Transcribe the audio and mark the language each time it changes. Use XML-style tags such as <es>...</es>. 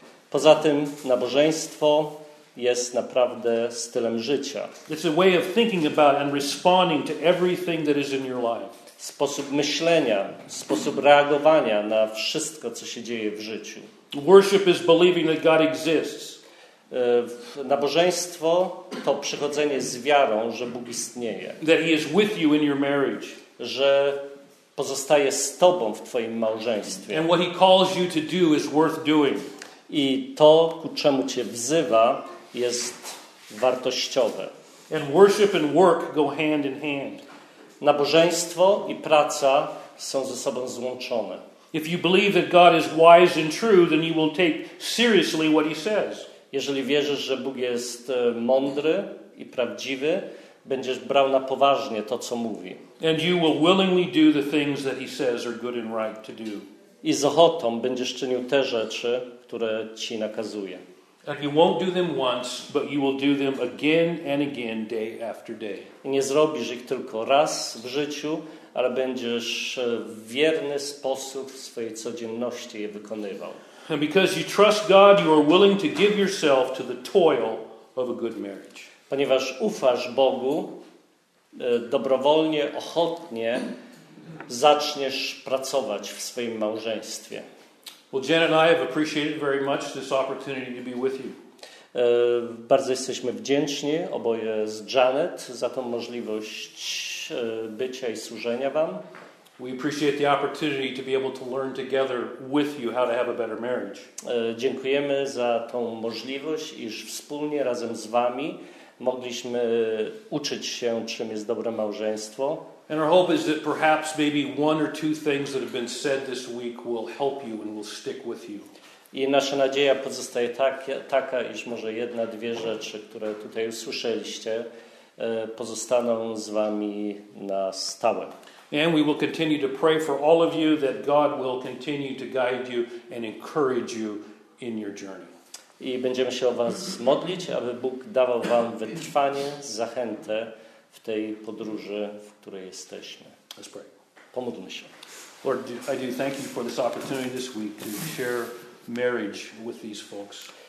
<pl>Poza tym nabożeństwo jest naprawdę stylem życia.</pl> <en>It's a way of thinking about and responding to everything that is in your life.</en> <pl>Sposób myślenia, sposób reagowania na wszystko, co się dzieje w życiu.</pl> <en>Worship is believing that God exists.</en> <pl>Nabożeństwo to przychodzenie z wiarą, że Bóg istnieje.</pl> <en>That he is with you in your marriage.</en> <pl>Że pozostaje z tobą w twoim małżeństwie.</pl> <en>And what he calls you to do is worth doing.</en> <pl>I to, ku czemu cię wzywa, jest wartościowe.</pl> <en>And worship and work go hand in hand.</en> <pl>Nabożeństwo i praca są ze sobą złączone.</pl> <en>If you believe that God is wise and true, then you will take seriously what he says.</en> <pl>Jeżeli wierzysz, że Bóg jest mądry i prawdziwy, będziesz brał na poważnie to, co mówi.</pl> <en>And you will willingly do the things that he says are good and right to do.</en> <pl>I z ochotą będziesz czynił te rzeczy, które ci nakazuje.</pl> <en>And you won't do them once, but you will do them again and again, day after day.</en> <pl>I nie zrobisz ich tylko raz w życiu, ale będziesz w wierny sposób w swojej codzienności je wykonywał.</pl> <en>And because you trust God, you are willing to give yourself to the toil of a good marriage.</en> <pl>Ponieważ ufasz Bogu, dobrowolnie, ochotnie zaczniesz pracować w swoim małżeństwie.</pl> <en>Well, Jen and I have appreciated very much this opportunity to be with you.</en> <pl>Bardzo jesteśmy wdzięczni oboje z Janet za tą możliwość bycia i służenia wam.</pl> <en>We appreciate the opportunity to be able to learn together with you how to have a better marriage.</en> <pl>Dziękujemy za tą możliwość, iż wspólnie razem z wami mogliśmy uczyć się, czym jest dobre małżeństwo.</pl> <en>And our hope is that perhaps maybe one or two things that have been said this week will help you and will stick with you.</en> <pl>I nasza nadzieja pozostaje taka, iż może jedna, dwie rzeczy, które tutaj usłyszeliście, pozostaną z wami na stałe.</pl> <en>And we will continue to pray for all of you that God will continue to guide you and encourage you in your journey.</en> <pl>I będziemy się o was modlić, aby Bóg dawał wam wytrwanie, zachętę w tej podróży, w której jesteśmy.</pl> <en>Let's pray.</en> <pl>Pomódlmy się.</pl> <en>Lord, I do thank you for this opportunity this week to share marriage with these folks.</en>